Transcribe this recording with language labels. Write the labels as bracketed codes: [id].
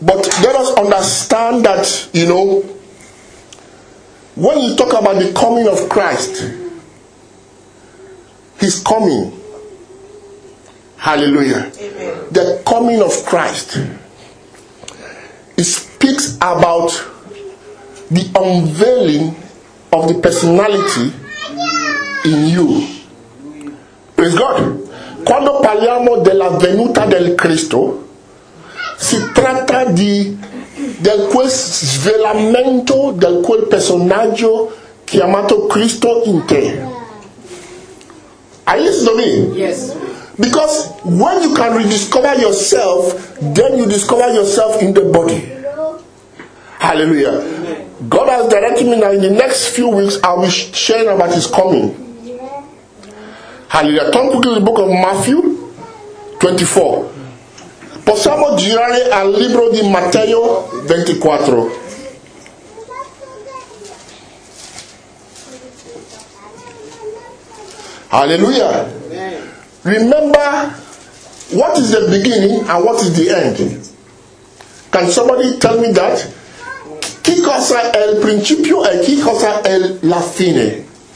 [en] But let us understand that, you know, when you talk about the coming of Christ, his coming, Hallelujah. Amen. The coming of Christ, it speaks about the unveiling of the personality in you. Praise God. [it] Quando parliamo della venuta del Cristo, si tratta di del quel svelamento del quel personaggio chiamato Cristo in te. [en] Are you listening to me? Yes. Because when you can rediscover yourself, then you discover yourself in the body. Hallelujah. Amen. God has directed me that in the next few weeks I will share about his coming. Hallelujah. Turn quickly to the book of Matthew 24. [it] Possiamo girare al libro di Matteo 24. Hallelujah. [en] Remember what is the beginning and what is the end. Can somebody tell me that? [it] Qui cosa è il principio e qui cosa è la fine?